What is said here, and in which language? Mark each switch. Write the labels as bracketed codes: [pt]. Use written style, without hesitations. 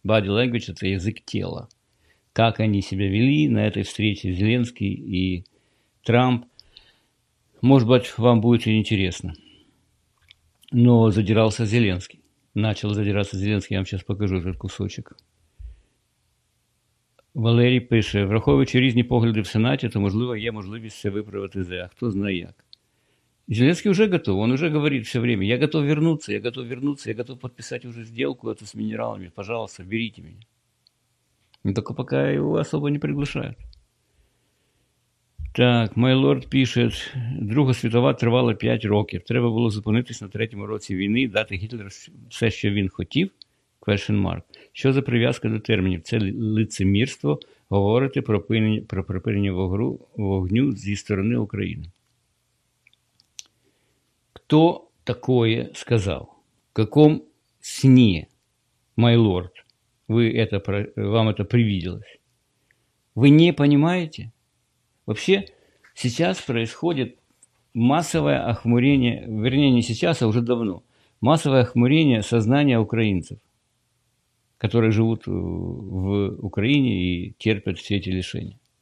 [ru] Body language – это язык тела. Как они себя вели на этой встрече, Зеленский и Трамп. Может быть, вам будет и интересно. Но задирался Зеленский. Начал задираться Зеленский. Я вам сейчас покажу этот кусочек. [uk] Валерій пише, враховуючи різні погляди в Сенаті, то, можливо, є можливість все виправити за, хто знає як. [ru] Зеленский уже готов, он уже говорит все время, я готов вернуться, я готов вернуться, я готов подписать уже сделку эту с минералами, пожалуйста, берите меня. Но только пока его особо не приглашают. Так, Майлорд пишет, [uk] друга світова тривала 5 років, треба було зупинитись на третьому році війни, дати Гітлеру все, що він хотів, [en] question mark. [uk] Що за прив'язка до термінів? Це лицемірство говорити про припинення вогню зі сторони України. [ru] Кто такое сказал? В каком сне, майлорд, вам это привиделось? Вы не понимаете? Вообще, сейчас происходит массовое охмурение, вернее, не сейчас, а уже давно, массовое охмурение сознания украинцев, которые живут в Украине и терпят все эти лишения.